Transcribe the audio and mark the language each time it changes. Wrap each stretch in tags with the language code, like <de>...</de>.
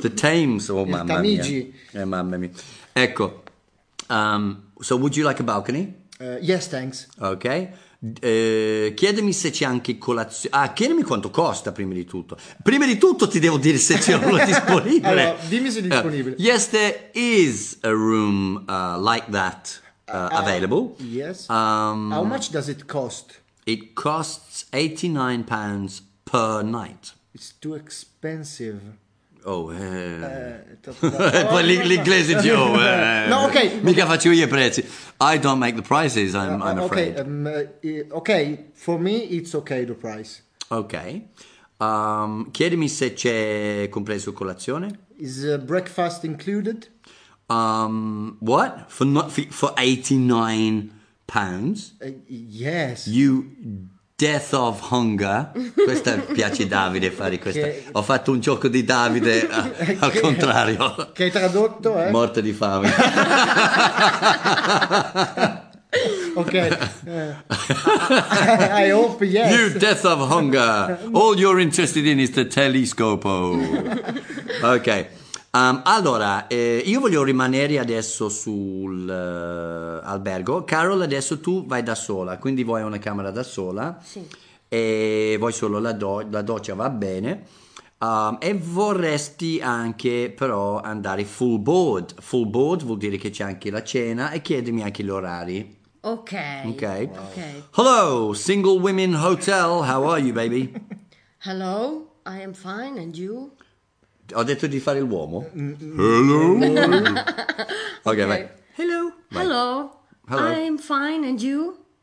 <it>The Thames. Oh, mamma mia. Tamigi. Mamma mia. Ecco.</it> <en>So, would you like a balcony? Yes, thanks.</en> <it>Ok. Chiedimi se c'è anche colazione. Ah, chiedimi quanto costa, prima di tutto. Prima di tutto ti devo dire se c'è uno disponibile. Allora, dimmi se è disponibile.</it> <en>Yes, there is a room like that available. Yes. How much does it cost? It costs £89 per night. It's too expensive.</en> <it>Oh, poi l'inglese di No, okay. Mica faccio io i prezzi.</it> <en>I don't make the prices, I'm afraid. Okay, for me it's okay the price.</en> <it>Okay. Chiedimi se c'è compreso colazione.</it> <en>Is breakfast included? What? For 89 pounds? Yes. You Death of Hunger,</en> <it>questa piace Davide fare questa, ho fatto un gioco di Davide al contrario. Che hai tradotto, eh? Morte di fame.</it> <en>Ok, I hope yes. You Death of Hunger, all you're interested in is the telescopo.</en> <it>Ok, allora, io voglio rimanere adesso sul albergo. Carol, adesso tu vai da sola, quindi vuoi una camera da sola. Sì. E vuoi solo la doccia, va bene. E vorresti anche però andare full board. Full board vuol dire che c'è anche la cena, e chiedimi anche gli orari. Ok. Ok. Wow.</it> <en>Hello, single women hotel. How are you, baby? Hello, I am fine, and you?</en> <it>Ho detto di fare l'uomo.</it> <en>Hello.</en> <it>Okay, vai.</it> <en>Hello. Vai. Hello. Hello. I am fine, and you?</en>